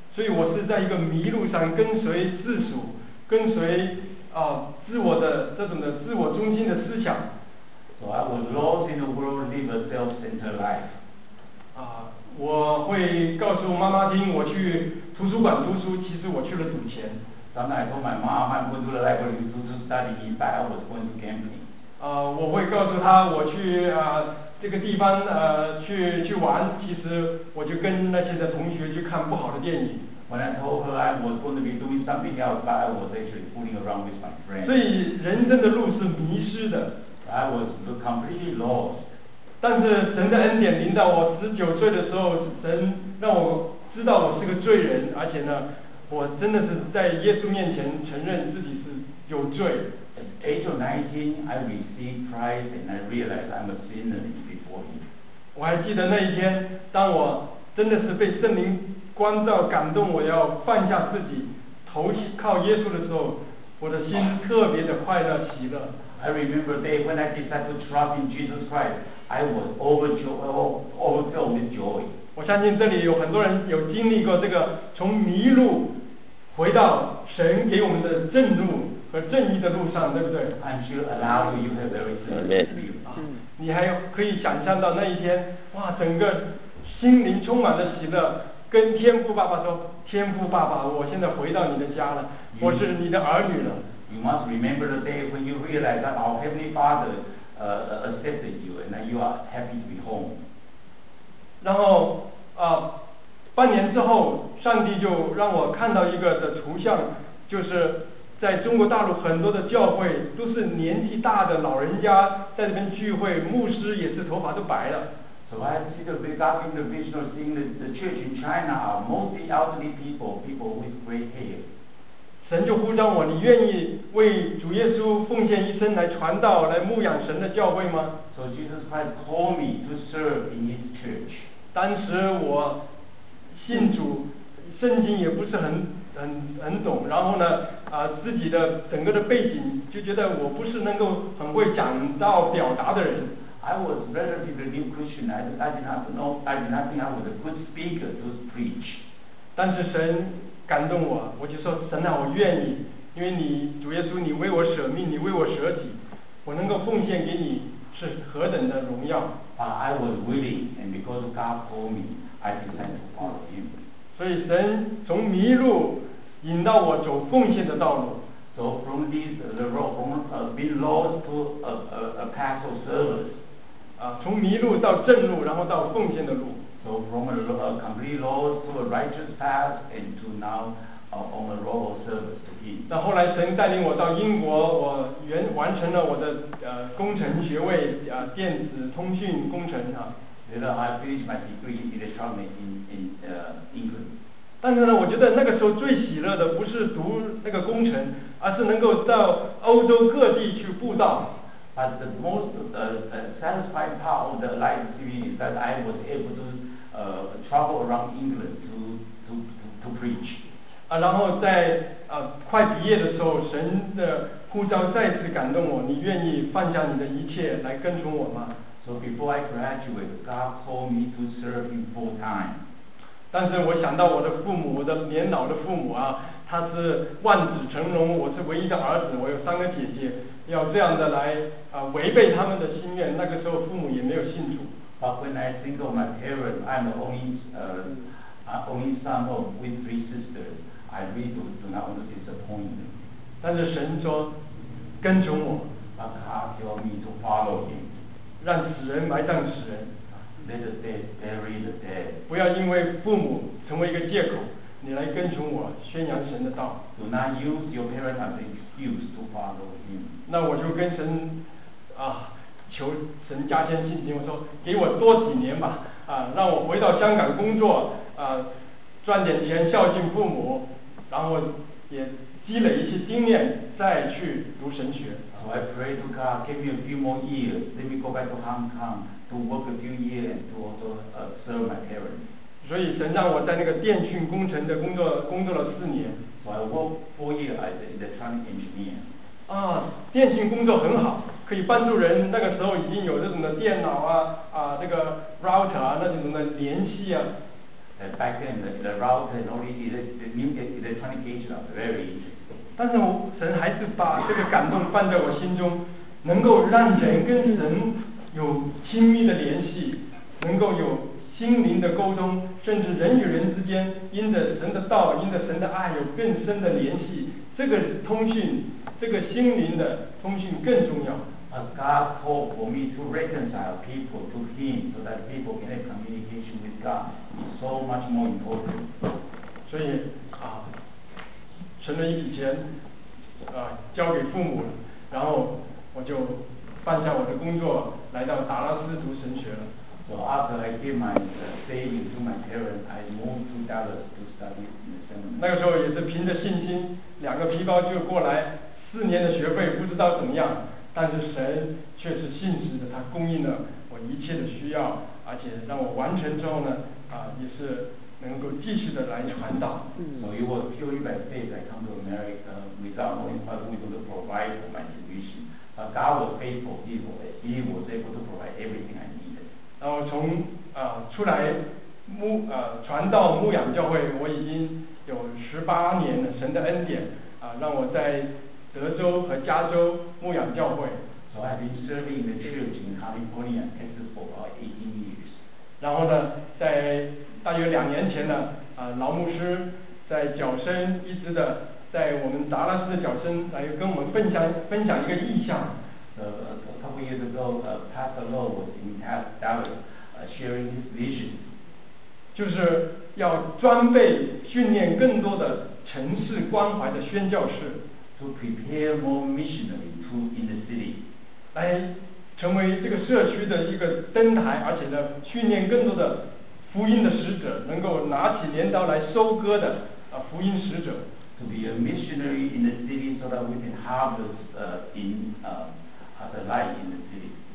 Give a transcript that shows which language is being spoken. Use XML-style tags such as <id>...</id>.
<zh>所以我是在一个迷路上跟随世俗，跟随自我的这种的自我中心的思想。</zh> <en>So I was lost in the world, live a self-centered life.</en> <zh>我会告诉妈妈听，我去图书馆读书，其实我去了赌钱。</zh> <en>Sometimes I told my mom I'm going to the library to study, but I was going to gambling.</en> <zh>我会告诉她我去这个地方去玩，其实我就跟那些的同学去看不好的电影。</zh> <en>When I told her I was going to be doing something else, but I was actually fooling around with my friends.</en> <zh>所以人生的路是迷失的。</zh> <en>I was completely lost.</en> <zh>但是神的恩典临到我19岁的时候，神让我知道我是个罪人，而且呢，我真的是在耶稣面前承认自己是有罪。</zh> <en>At age of 19, I received Christ and I realized I'm a sinner before Him.</en> <zh>我还记得那一天，当我真的是被圣灵光照感动，我要放下自己，投靠耶稣的时候，我的心特别的快乐喜乐。</zh> <en>I remember the day when I decided to trust in Jesus Christ. I was overfilled with joy.</en> <zh>我相信这里有很多人有经历过这个从迷路回到神给我们的正路和正义的路上，对不对？</zh> <en>And you allow you have very serious view.</en> <zh>你还可以想象到那一天，哇，整个心灵充满了喜乐，跟天父爸爸说：“天父爸爸，我现在回到你的家了，我是你的儿女了。”</zh> <en>You must remember the day when you realize that our Heavenly Father accepted you and that you are happy to be home.</en> <zh>然后半年之后，上帝就让我看到一个的图像，就是在中国大陆很多的教会都是年纪大的老人家在那边聚会，牧师也是头发都白了。</zh> <en>So I see the result in the visual seeing the church in China are mostly elderly people with gray hair.</en> <zh>神就呼召我，你愿意为主耶稣奉献一生来传道，来牧养神的教会吗？</zh> <en>So Jesus Christ called me to serve in his church.</en> <zh>当时我信主，圣经也不是很懂，然后呢自己的整个的背景就觉得我不是能够很会讲道表达的人。</zh> <en>I was relatively new Christian. I did not think I was a good speaker to preach.</en> <zh>但是神感动我，我就说神啊，我愿意，因为你主耶稣，你为我舍命，你为我舍己，我能够奉献给你是何等的荣耀。</zh> <en>But I was willing, and because God called me, I decided to follow Him.</en> <zh>所以神从迷路引到我走奉献的道路。</zh> <en>So from this the road from being lost to a path of service.</en> <zh>从迷路到正路，然后到奉献的路。</zh> <en>So from a complete loss to a righteous path and to now on a road of service to Him.</en> <zh>那后来神带领我到英国，我完成了我的工程学位电子通讯工程啊。</zh> <en>Then I finished my degree in electronics in England.</en> <zh>但是呢，我觉得那个时候最喜乐的不是读那个工程，而是能够到欧洲各地去布道。</zh> <en>But the most satisfying part of the life experience is that I was able to travel around England to preach.</en> <zh>然后在快毕业的时候，神的呼召再次感动我，你愿意放下你的一切来跟从我吗？</zh> <en>So before I graduate, God called me to serve Him full time.</en> <zh>但是我想到我的父母，我的年老的父母啊，他是万子成龙，我是唯一的儿子，我有三个姐姐，要这样的来违背他们的心愿，那个时候父母也没有信主。</zh> <en>But when I think of my parents, I'm the only son of with three sisters. I really do not want to disappoint them.</en> <zh>但是神说，跟从我。</zh> <en>But God tell me to follow him.</en> <zh>让死人埋葬死人。</zh> <en>Let the dead bury the dead.</en> <zh>不要因为父母成为一个借口，你来跟从我，宣扬神的道。</zh> <en>Do not use your parents as an excuse to follow him.</en> <zh>那我就跟神啊。求神加添信心，我说给我多几年吧，啊，让我回到香港工作，啊，赚点钱孝敬父母，然后也积累一些经验，再去读神学。</zh> <en>So I pray to God, give me a few more years, let me go back to Hong Kong to work a few years and to also serve my parents.</en> <zh>所以神让我在那个电讯工程的工作了四年。</zh> <en>So I work 4 years as an electronic engineer.</en> <zh>啊，电讯工作很好。可以帮助人，那个时候已经有这种的电脑啊，啊，这个 router 啊，那种的联系啊。</zh> <en>Back then, the router and all the new electronic gadgets are very interesting.</en> <zh>但是神还是把这个感动放在我心中，能够让人跟神有亲密的联系，能够有心灵的沟通，甚至人与人之间因着神的道，因着神的爱有更深的联系，这个通讯。这个心灵的通讯更重要。</zh> <en>A God called for me to reconcile people to Him, so that people can have communication with God. It's so much more important.</en> <zh>所以啊，存了一笔钱，啊，交给父母了，然后我就放下我的工作，来到达拉斯读神学了。</zh> <en>So after I gave my savings to my parents, I moved to Dallas to study in the seminary.</en> <zh>那个时候也是凭着信心，两个皮包就过来。四年的学费不知道怎么样，但是神却是信实的，他供应了我一切的需要，而且让我完成之后呢，啊，也是能够继续的来传道。</zh> <en>So it was purely by faith I come to America without knowing what we do to provide for my tuition. But God was faithful, He was able to provide everything I needed.</en> <zh>然后从出来传道牧养教会，我已经有18年的神的恩典啊，让我在德州和加州牧养教会。</zh> <en>So I've been serving the church in California, Texas for about 18 years.</en> <zh>然后呢，在大约2年前呢，劳牧师在角声一直的在我们达拉斯的角声来跟我们分享一个意象。</zh> <en>A couple years ago, Pastor Lowe was in Dallas, sharing his vision.</en> <zh>就是要装备训练更多的城市关怀的宣教士。</zh> <en>To prepare more missionaries to in the city,</en> <zh>来成为这个社区的一个灯台，而且呢，训练更多的福音的使者，能够拿起镰刀来收割的福音使者。</zh> <en>To be a missionary in the city, so that we can harvest the light in the city.</en>